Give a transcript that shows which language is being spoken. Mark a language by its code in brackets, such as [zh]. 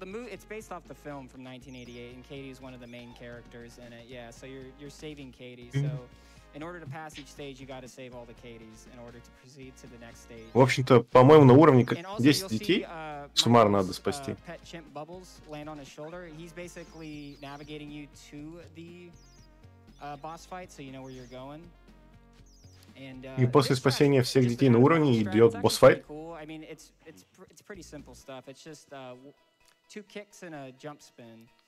[en] It's based off the film from 1988, and Katie is one of the main characters in it. Yeah, so you're saving Katie, so... In order to pass each stage, you gotta save all the Katies in order to proceed to the next stage. [ru] В общем-то, по-моему, на уровне 10 детей суммарно надо спасти. [en] Pet chimp Bubbles land on his shoulder. He's basically navigating you to the boss fight, so you know where you're going. [ru] И после спасения всех детей на уровне идет босс файт. [en] I mean, it's pretty simple stuff. It's just two kicks and a jump spin.